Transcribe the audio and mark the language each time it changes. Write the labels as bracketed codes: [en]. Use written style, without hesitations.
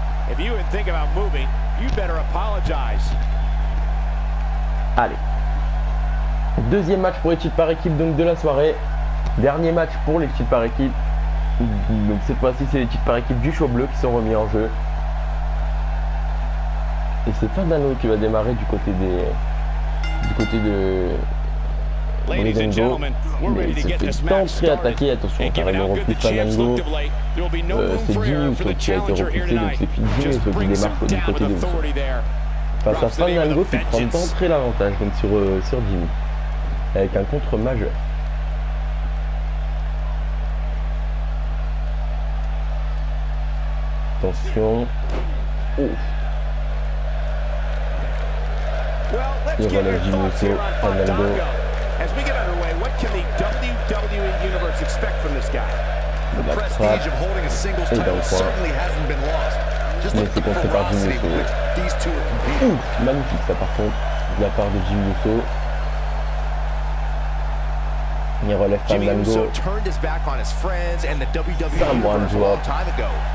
[en] If you would think about moving, you better apologize. [fr] Allez. Deuxième match pour les titres par équipe donc de la soirée. Dernier match pour les titres par équipe. Donc cette fois-ci, c'est les titres par équipe du show bleu qui sont remis en jeu. Et c'est Fandango qui va démarrer du côté des. Du côté de. [en] Ladies and gentlemen, we're ready to get this match started. [fr] Attaqué, attention, [en] and given how good the champs looked of late, there will be no room for error for the challenger here tonight. Just bring some down with authority there. [fr] Face à Fandango, tu prends d'entrée l'avantage donc sur Jimmy, avec un contre majeur. Attention. Ouf. [en] Well, let's get Jimmy here on Fandango. As we get underway, what can the WWE Universe expect from this guy? The prestige of holding a singles title certainly hasn't been lost. Just look at the velocity with which these two are competing. [fr] Ouh, magnifique ça par contre, de la part de Jimmy Uso. Il relève Fandango. [en] Jimmy Uso turned his back on his friends and the WWE Universe a long time ago.